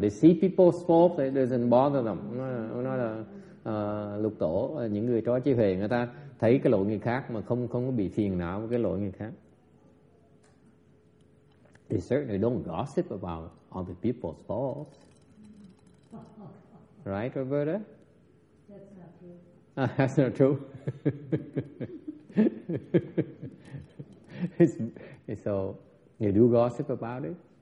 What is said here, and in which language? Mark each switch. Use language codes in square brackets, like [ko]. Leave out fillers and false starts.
[en] They see people's faults, it doesn't bother them. [vi] Ông nói là Lục Tổ, những người trói trí huệ người ta thấy cái lỗi người khác mà không có bị phiền não với cái lỗi người khác. [en] They certainly don't gossip about other people's faults. Right, Roberta? That's not true. That's not true. So, you do gossip about it?